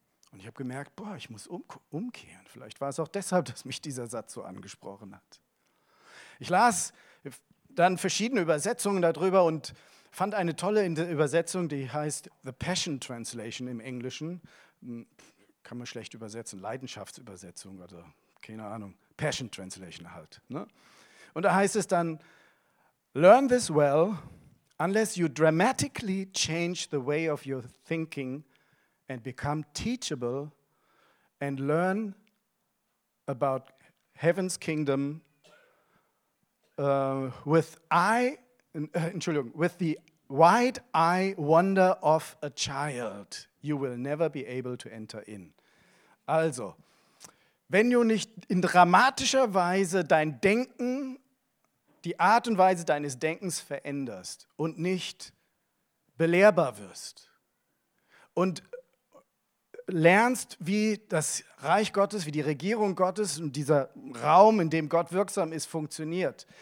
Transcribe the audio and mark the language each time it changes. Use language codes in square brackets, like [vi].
[de] Und ich habe gemerkt, boah, ich muss umkehren. Vielleicht war es auch deshalb, dass mich dieser Satz so angesprochen hat. Ich las dann verschiedene Übersetzungen darüber und fand eine tolle Übersetzung, die heißt The Passion Translation im Englischen. Kann man schlecht übersetzen, Leidenschaftsübersetzung oder keine Ahnung. Passion Translation halt. Ne? [en] Und da heißt es dann, learn this well, unless you dramatically change the way of your thinking and become teachable and learn about heaven's kingdom with the wide eye wonder of a child. You will never be able to enter in. [de] Also, wenn du nicht in dramatischer Weise dein Denken die Art und Weise deines Denkens veränderst und nicht belehrbar wirst und lernst, wie das Reich Gottes, wie die Regierung Gottes und dieser Raum, in dem Gott wirksam ist, funktioniert.